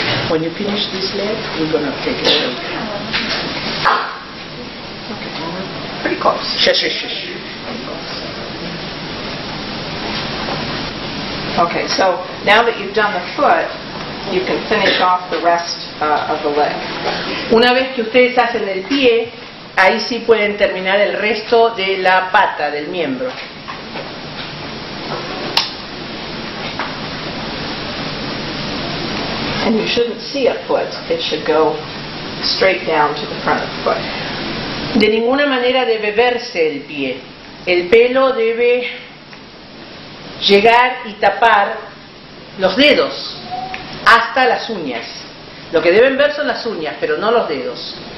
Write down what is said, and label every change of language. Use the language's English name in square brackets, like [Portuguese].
[English] When you finish this leg, we're going to take it away. Okay. Pretty close. Yes. Okay, so now that you've done the foot, you can finish off the rest of the leg. [Spanish] Una vez que ustedes hacen el pie, ahí sí pueden terminar el resto de la pata, del miembro. [English] And you shouldn't see a foot. It should go straight down to the front of the foot. [Spanish] De ninguna manera debe verse el pie. El pelo debe llegar y tapar los dedos hasta las uñas. Lo que deben ver son las uñas, pero no los dedos.